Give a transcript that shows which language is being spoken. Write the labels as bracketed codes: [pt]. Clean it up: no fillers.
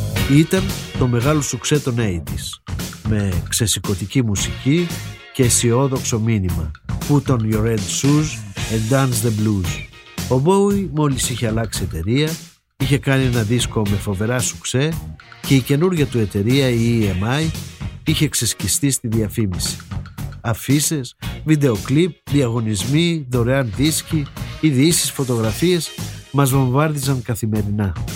[el] Ήταν το μεγάλο σουξέ των 80's, με ξεσηκωτική μουσική και αισιόδοξο μήνυμα. [en] Put on your red shoes and dance the blues. [el] Ο Bowie μόλις είχε αλλάξει εταιρεία, είχε κάνει ένα δίσκο με φοβερά σουξέ και η καινούργια του εταιρεία, η EMI, είχε ξεσκιστεί στη διαφήμιση. Αφίσες, βίντεο κλιπ, διαγωνισμοί, δωρεάν δίσκοι, ειδήσεις, φωτογραφίες μας βομβάρδιζαν καθημερινά.